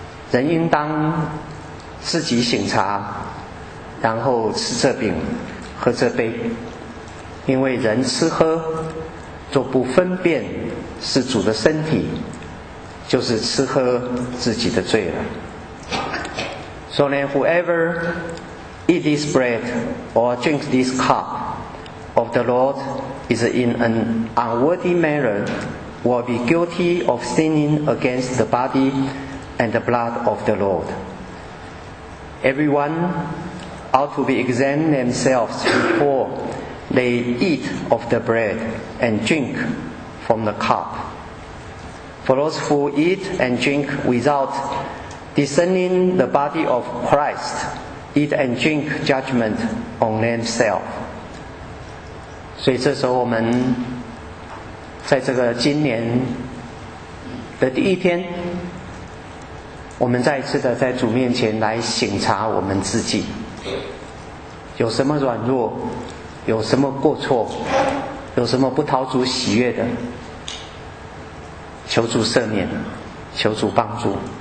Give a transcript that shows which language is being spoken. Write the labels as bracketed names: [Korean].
[Chinese] 人应当自己省察，然后吃这饼喝这杯，因为人吃喝就不分辨是主的身体，就是吃喝自己的罪了。 [English] So then whoever eat this bread or drink this cup of the Lord is in an unworthy manner will be guilty of sinning against the body and the blood of the Lord. Everyone ought to be examined themselves before They eat of the bread and drink from the cup. For those who eat and drink without discerning the body of Christ, eat and drink judgment on themselves. [Chinese] 所以这时候我们在这个今年的第一天，我们再一次的在主面前来省察我们自己，有什么软弱，有什么过错，有什么不讨主喜悦的，求主赦免，求主帮助。